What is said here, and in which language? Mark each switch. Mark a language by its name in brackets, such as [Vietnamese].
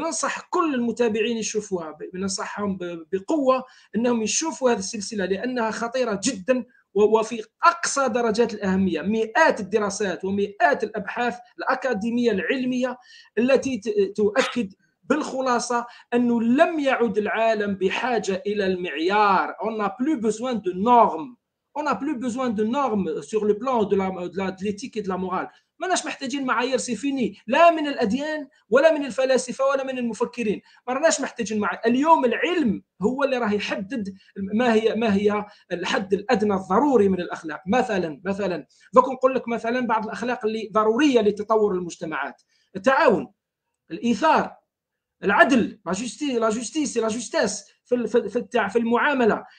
[Arabic] ننصح كل المتابعين يشوفوها، ننصحهم بقوة أنهم يشوفوا هذه السلسلة لأنها خطيرة جدا وفي أقصى درجات الأهمية. مئات الدراسات ومئات الأبحاث الأكاديمية العلمية التي تؤكد بالخلاصة أنه لم يعد العالم بحاجة إلى المعيار. [French] On a plus besoin de normes. On a plus besoin de normes sur le plan de l'éthique et de la morale. [Arabic] ماناش محتاجين معايير [French] سيفيني، [Arabic] لا من الأديان ولا من الفلاسفة ولا من المفكرين. ماناش محتاجين معايير. اليوم العلم هو اللي راه يحدد ما هي الحد الأدنى الضروري من الأخلاق. مثلا فكون نقول لك مثلا بعض الأخلاق اللي ضرورية لتطور المجتمعات: التعاون، الإيثار، العدل، لا جوستيس في المعامله.